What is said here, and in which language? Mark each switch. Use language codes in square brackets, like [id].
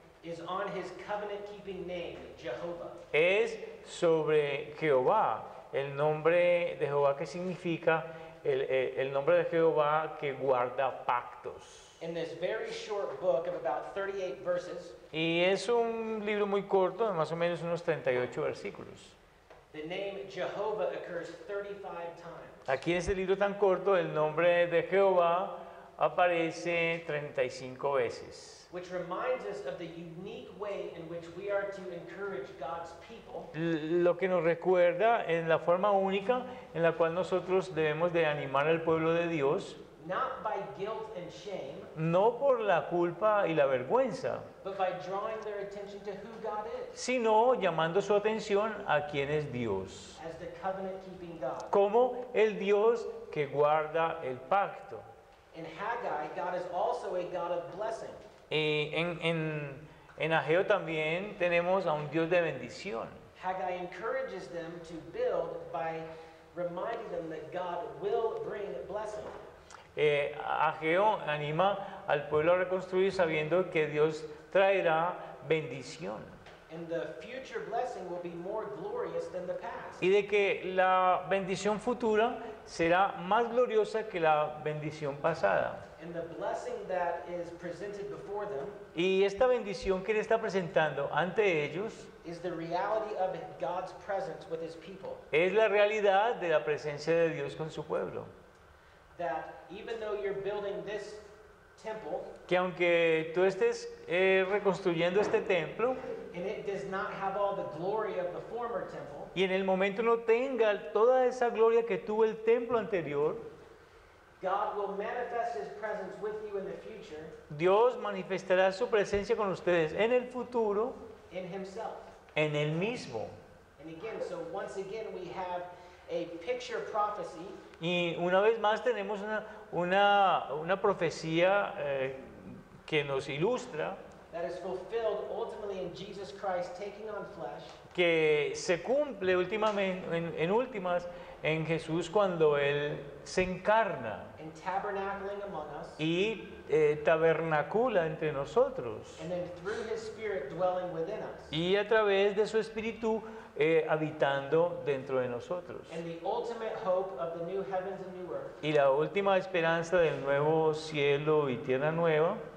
[en] is on his covenant-keeping name, Jehovah. [es] Es sobre Jehová, el nombre de Jehová que significa el nombre de Jehová que guarda pactos. [en] In this very short book of about 38 verses, [es] y es un libro muy corto, de más o menos unos 38 versículos. [en] The name Jehovah occurs 35 times. [es] Aquí en este libro tan corto, el nombre de Jehová aparece 35 veces. [en] Which reminds us of the unique way in which we are to encourage God's people. [es] Lo que nos recuerda en la forma única en la cual nosotros debemos de animar al pueblo de Dios. [en] Not by guilt and shame, [es] no por la culpa y la vergüenza, [en] but by drawing their attention to who God is, [es] sino llamando su atención a quién es Dios, [en] as the covenant-keeping God, [es] como el Dios que guarda el pacto. [en] In Haggai, God is also a God of blessing. [es] Y en Ageo también tenemos a un Dios de bendición. [en] Haggai encourages them to build by reminding them that God will bring blessing. [es] Ageo anima al pueblo a reconstruir sabiendo que Dios traerá bendición. [en] And the future blessing will be more glorious than the past. [es] Y de que la bendición futura será más gloriosa que la bendición pasada. [en] And the blessing that is presented before them, [es] y esta bendición que él está presentando ante ellos, [en] is the reality of God's presence with his people. [es] Es la realidad de la presencia de Dios con su pueblo. [en] That even though you're building this temple, [es] que aunque tú estés reconstruyendo este templo, [en] and it does not have all the glory of the former temple, [es] y en el momento no tenga toda esa gloria que tuvo el templo anterior, [en] God will manifest his presence with you in the future, [es] Dios manifestará su presencia con ustedes en el futuro, [en] in himself, [es] en él mismo. [en] And again, so once again we have a picture prophecy. [es] Y una vez más tenemos una profecía que nos ilustra, [en] that is fulfilled ultimately in Jesus Christ taking on flesh, [es] que se cumple últimamente en últimas en Jesús cuando él se encarna [en] and tabernacling among us, [es] y tabernacula entre nosotros, [en] and then through his spirit dwelling within us, [es] y a través de su espíritu habitando dentro de nosotros. [en] And the ultimate hope of the new heavens and new earth, [es] y la última esperanza del nuevo cielo y tierra nueva,